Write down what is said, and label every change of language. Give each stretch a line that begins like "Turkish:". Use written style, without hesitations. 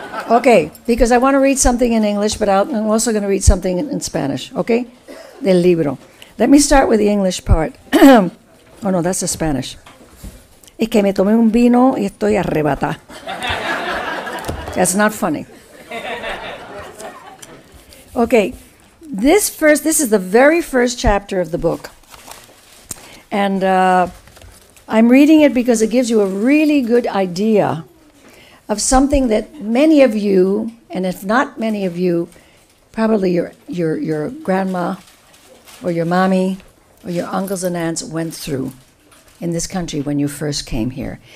English: Okay, because I want to read something in English, but I'm also going to read something in Spanish, okay?
Spanish: Del libro.
English: Let me start with the English part. Oh, no, that's the Spanish.
Spanish: Es que me tomé un vino y estoy arrebatada.
English: That's not funny. Okay, this is the very first chapter of the book. And I'm reading it because it gives you a really good idea of something that many of you, and if not many of you, probably your grandma or your mommy or your uncles and aunts went through in this country when you first came here.